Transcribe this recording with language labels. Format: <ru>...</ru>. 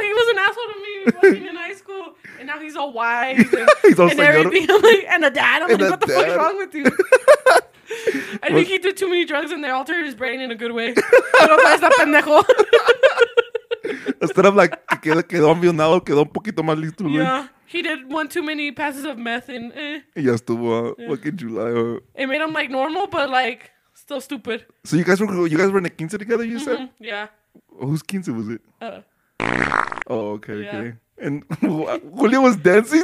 <en>He was an asshole to me in high school, and now he's all wise and, he's all and everything. I'm like, and a dad. I'm like, what the fuck is wrong with you? I think he did too many drugs, and they altered his brain in a good way.</en> <es>Pendejo.</es> <en>Instead of like,</en> <es>quedó ambionado, quedó un poquito más listo.</es> <en>Yeah, he did one too many passes of meth, and</en> <es>ya estuvo fucking July.</es> <en>It made him like normal, but like. Still stupid. So you guys were in a quince together, you said? Yeah. Whose quince was it? Oh, okay, yeah. Okay. And Julio was dancing?</en>